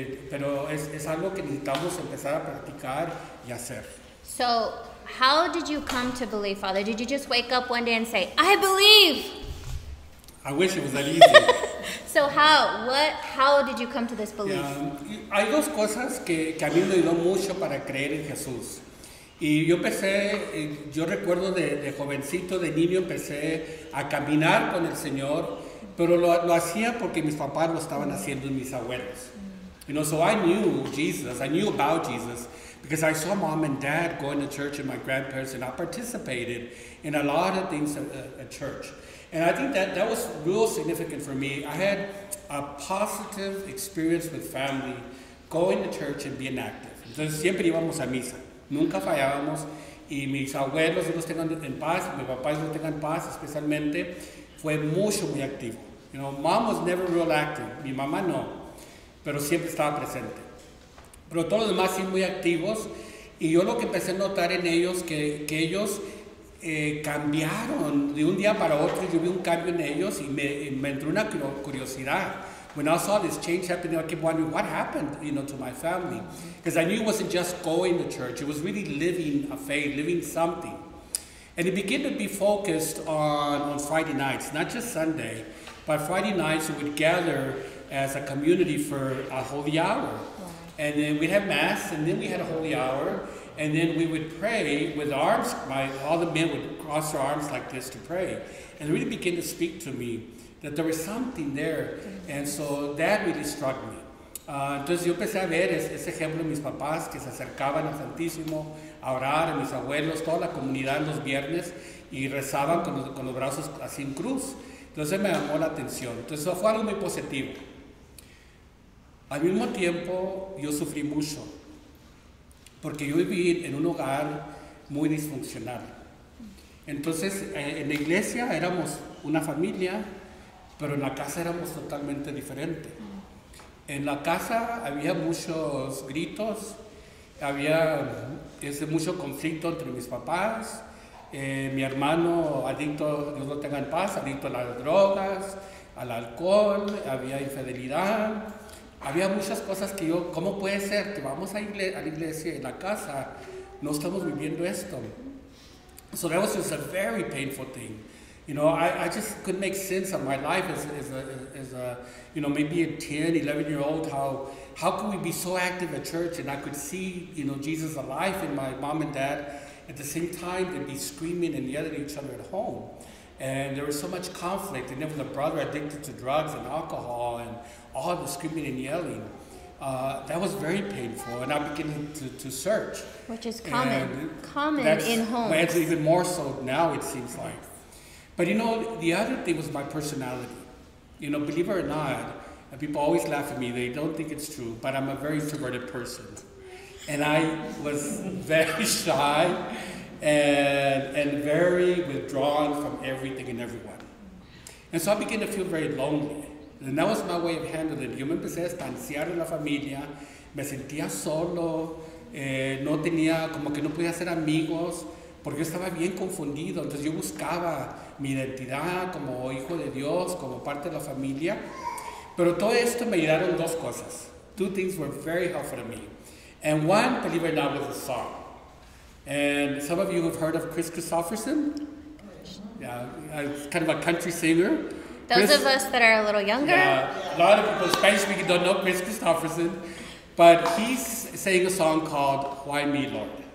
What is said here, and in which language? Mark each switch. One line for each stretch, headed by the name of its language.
Spanish: Pero es algo que necesitamos empezar a practicar y hacer.
English: So, how did you come to believe, Father? Did you just wake up one day and say, I believe? I wish it was that easy. So how? What? How did you come to this belief?
Spanish: Hay dos cosas que a mí me ayudó mucho para creer en Jesús. Y yo empecé, yo recuerdo de jovencito, de niño, empecé a caminar con el Señor, pero lo hacía porque mis papás lo estaban haciendo y mis abuelos.
English: You know, so I knew Jesus, I knew about Jesus, because I saw mom and dad going to church and my grandparents, and I participated in a lot of things at church. And I think that was real significant for me. I had a positive experience with family, going to church and being active.
Spanish: Entonces siempre íbamos a misa, nunca fallábamos, y mis abuelos, ellos tengan en paz, mis papás los tengan en paz, especialmente, fue mucho muy activo.
English: You know, mom was never real active,
Spanish: mi mamá no, pero siempre estaba presente. Pero todos los demás sí muy activos, y yo lo que empecé a notar en ellos, que ellos cambiaron de un día para otro. Yo vi un cambio en ellos y me entró una curiosidad.
English: When I saw this change happening, I kept wondering what happened, you know, to my family. Because I knew it wasn't just going to church, it was really living a faith, living something. And it began to be focused on Friday nights, not just Sunday, but Friday nights we would gather as a community for a holy hour. And then we'd have mass, and then we had a holy hour, and then we would pray with arms, all the men would cross their arms like this to pray. And it really began to speak to me that there was something there. And so that really struck me.
Spanish: Entonces yo empecé a ver ese ejemplo de mis papás que se acercaban al Santísimo a orar, a mis abuelos, toda la comunidad los viernes, y rezaban con los brazos así en cruz. Entonces me llamó la atención. Entonces eso fue algo muy positivo. Al mismo tiempo, yo sufrí mucho, porque yo viví en un hogar muy disfuncional. Entonces, en la iglesia éramos una familia, pero en la casa éramos totalmente diferente. En la casa había muchos gritos, había mucho conflicto entre mis papás, mi hermano adicto, Dios lo tenga en paz, adicto a las drogas, al alcohol, había infidelidad. Había muchas cosas que yo, ¿cómo puede ser que vamos a la iglesia, en la casa, no estamos viviendo esto?
English: So that was just a very painful thing. You know, I just couldn't make sense of my life as a, you know, maybe a 10, 11 year old, how could we be so active at church and I could see, you know, Jesus alive in my mom and dad, at the same time they'd be screaming and yelling at each other at home. And there was so much conflict, and there was a brother addicted to drugs and alcohol and all the screaming and yelling. That was very painful, and I began to search. Which is common in homes. And even more so now, it seems like. But you know, the other thing was my personality. You know, believe it or not, and people always laugh at me, they don't think it's true, but I'm a very introverted person. And I was very shy. And very withdrawn from everything and everyone. And so I began to feel very lonely. And that was my way of handling it.
Spanish: Yo me empecé a distanciar de la familia. Me sentía solo. No tenía, como que no podía hacer amigos. Porque yo estaba bien confundido. Entonces yo buscaba mi identidad como hijo de Dios, como parte de la familia. Pero todo esto me ayudaron dos cosas.
English: Two things were very helpful to me. And one, believe it or not, was a song. And some of you have heard of Kris Kristofferson. Yeah, he's kind of a country singer. Of us that are a little younger. Yeah, a lot of people, Spanish speaking, don't know Kris Kristofferson. But he's saying a song called Why Me, Lord.